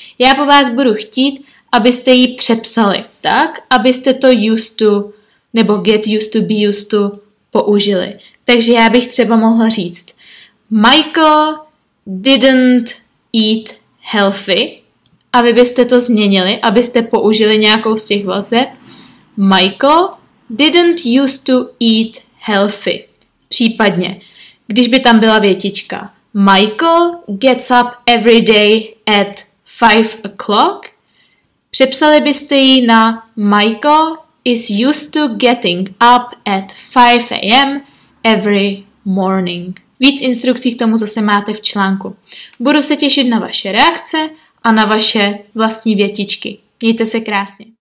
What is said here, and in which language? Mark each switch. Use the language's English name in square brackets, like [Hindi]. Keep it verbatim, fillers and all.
[Czech] Já po vás budu chtít, abyste ji přepsali tak, abyste to used to nebo get used to, be used to použili. Takže já bych třeba mohla říct [English] Michael didn't eat healthy. [Czech] A vy byste to změnili, abyste použili nějakou z těch vazeb. [English] Michael didn't used to eat healthy. [Czech] Případně, když by tam byla větička. [English] Michael gets up every day at five o'clock. [Czech] Přepsali byste ji na [English] Michael is used to getting up at five a m every morning. [Czech] Víc instrukcí k tomu zase máte v článku. Budu se těšit na vaše reakce a na vaše vlastní větičky. Mějte se krásně.